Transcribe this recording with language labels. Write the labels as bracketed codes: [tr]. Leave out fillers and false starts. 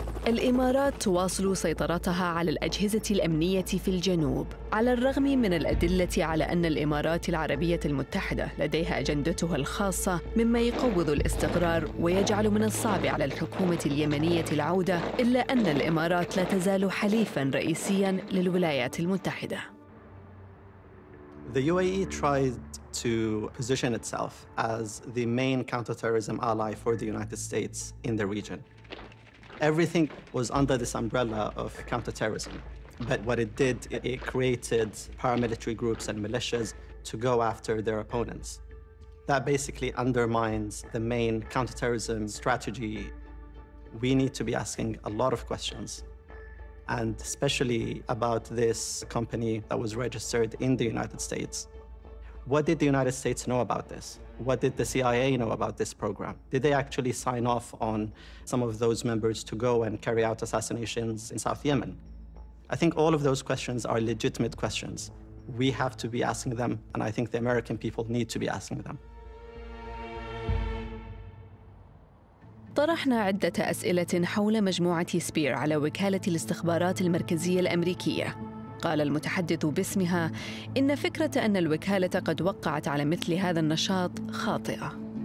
[ar] الإمارات تواصل سيطرتها على الأجهزة الأمنية في الجنوب، على الرغم من الأدلة على أن الإمارات العربية المتحدة لديها أجندتها الخاصة، مما يقوض الاستقرار ويجعل من الصعب على الحكومة اليمنية العودة، إلا أن الإمارات لا تزال حليفاً رئيسياً للولايات المتحدة. [en] The UAE tried to position itself as the main counter-terrorism ally for the United States in the region. Everything was under this umbrella of counter-terrorism. But what it did, it created paramilitary groups and militias to go after their opponents. That basically undermines the main counter-terrorism strategy. We need to be asking a lot of questions, and especially about this company that was registered in the United States. What did the United States know about this? What did the CIA know about this program? Did they actually sign off on some of those members to go and carry out assassinations in South Yemen? I think all of those questions are legitimate questions. We have to be asking them, and I think the American people need to be asking them. [ar] طرحنا عدة أسئلة حول مجموعة سبير على وكالة الاستخبارات المركزية الأمريكية. قال المتحدث باسمها إن فكرة أن الوكالة قد وقعت على مثل هذا النشاط خاطئة.